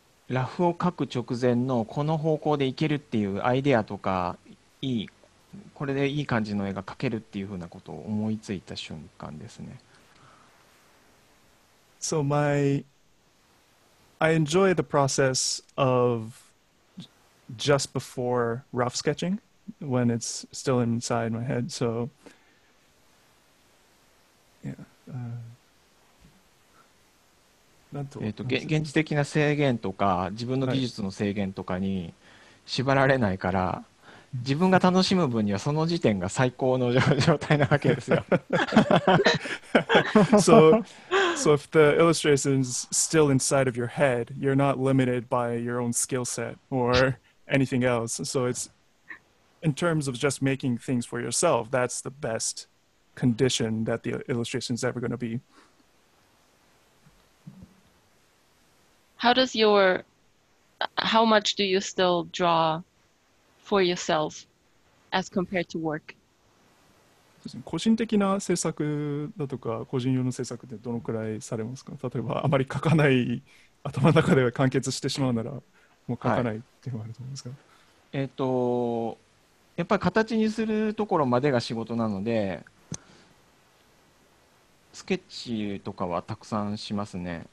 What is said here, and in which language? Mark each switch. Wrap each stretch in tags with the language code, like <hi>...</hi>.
<ja>ラフを描く直前のこの方向でいけるっていうアイデアとか、いい、これでいい感じの絵が描けるっていうふうなことを思いついた瞬間ですね。</ja> <en>So my, I enjoy the process of just before rough sketching when it's still inside my head. So, yeah.</en> <ja>現実的な制限とか自分の技術の制限とかに縛られないから、はい、自分が楽しむ分にはその時点が最高の状態なわけですよ。</ja> <en>So if the illustration is still inside of your head, you're not limited by your own skill set or anything else. So it's in terms of just making things for yourself, that's the best condition that the illustration is ever going to be. How does your, how much do you still draw for yourself as compared to work?</en> <ja>個人的な制作だとか個人用の制作ってどのくらいされますか？例えばあまり書かない、頭の中では完結してしまうならもう書かないっていうのがあると思うんですが、はい、やっぱり形にするところまでが仕事なので、スケッチとかはたくさんしますね。</ja>